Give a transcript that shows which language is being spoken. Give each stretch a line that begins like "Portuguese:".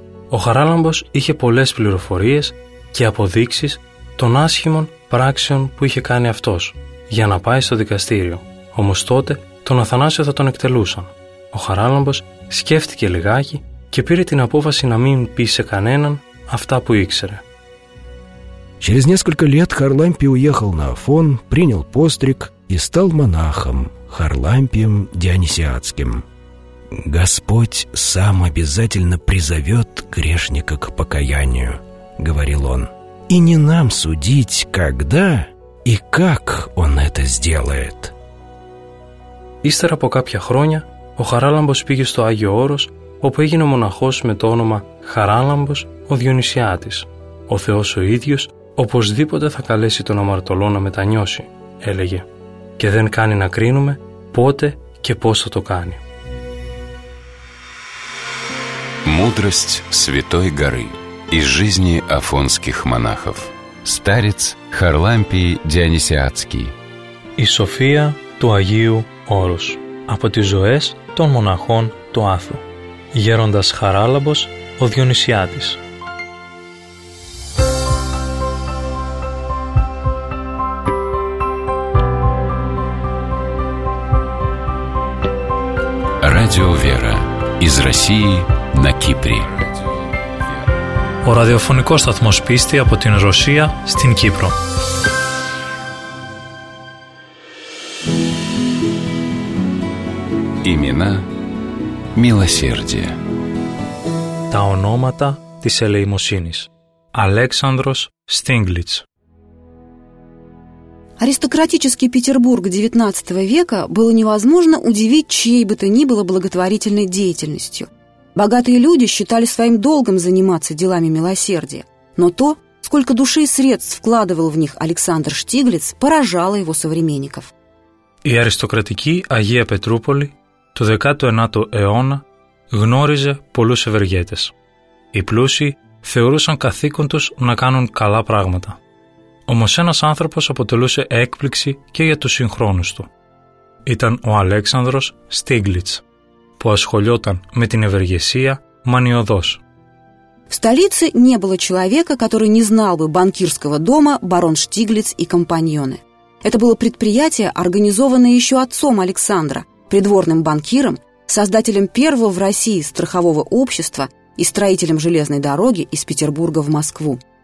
Greek: Ο Χαράλαμπος είχε πολλές πληροφορίες και αποδείξεις των άσχημων πράξεων που είχε κάνει αυτός για να πάει στο δικαστήριο. Όμως τότε τον Αθανάσιο θα τον εκτελούσαν. Ο Χαράλαμπος σκέφτηκε λιγάκι και πήρε την απόφαση να μην πει σε κανέναν αυτά που ήξερε.
Russian: Через несколько лет Харлампий уехал на Афон, принял постриг и стал монахом Харлампием Дионисиатским. «Господь сам обязательно призовет грешника к покаянию», — говорил он. «И не нам судить, когда и как он это сделает».
Greek: Ύστερα από κάποια χρόνια, ο Χαράλαμπος πήγε στο Άγιο Όρος, όπου έγινε μοναχός με το όνομα Χαράλαμπος ο Διονυσιάτης. Ο Θεός ο ίδιος οπωσδήποτε θα καλέσει τον αμαρτωλό να μετανιώσει, έλεγε. Και δεν κάνει να κρίνουμε πότε και πώς θα το κάνει.
Russian: Μούδρασть Святой Горы из жизни афонских монахов. Старец Харлампий Дионисиатский.
Greek: Η Σοφία του Αγίου Όρος, από τις ζωές των μοναχών του Άθου. Γέροντας Χαράλαμπος, ο Διονυσιάτης.
Russian: Radio Vera, из России на Кύπρη.
Greek: Ο ραδιοφωνικός σταθμός πίστη από την Ρωσία στην Κύπρο.
Russian: Имена милосердия.
Greek: Τα ονόματα της ελεημοσύνης. Αλέξανδρος Στίγκλιτς.
Russian: Аристократический Петербург XIX века было невозможно удивить чьей бы то ни было благотворительной деятельностью. Богатые люди считали своим долгом заниматься делами милосердия, но то, сколько души и средств вкладывал в них Александр Штиглиц, поражало его современников.
Greek: И аристократики Агия Петрополи του 19ου αιώνα γνώριζε πολλούς ευεργέτες. Οι πλούσιοι θεωρούσαν καθήκον τους να κάνουν καλά πράγματα. Όμως ένας άνθρωπος αποτελούσε έκπληξη και για τους συγχρόνους του. Ήταν ο Αλέξανδρος Στίγκλιτς, που ασχολιόταν με την ευεργεσία μανιωδώς.
Russian: В столице не было человека, который не знал бы банкирского дома барон Штиглиц и компаньоны. Это было предприятие, организованное еще отцом Александра, придворным банкиром, создателем первого в России страхового общества и строителем железной дороги из Петербурга в Москву.